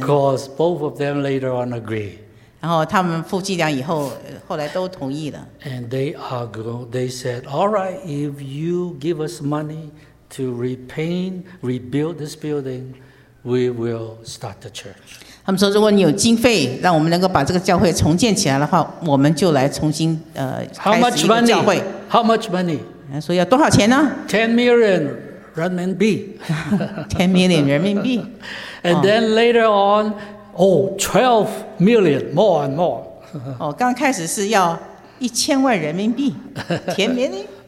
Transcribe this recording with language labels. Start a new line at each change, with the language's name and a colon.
English: Of course, both of them later on agree.
Chinese: 然后他们夫妻俩以后来都同意了。
English: And they argued. They said, "All right, if you give us money to repaint, rebuild this building, we will start the church."
Chinese: 他们说，如果你有经费，让我们能够把这个教会重建起来的话，我们就来重新开始一个教会。
English: How much money?
Chinese: 所以要多少钱呢
English: ？10 million renminbi. 10 million renminbi. And then later on, 12 million more and more.
Chinese: 刚开始是要1000万人民币 ，
English: 10 million.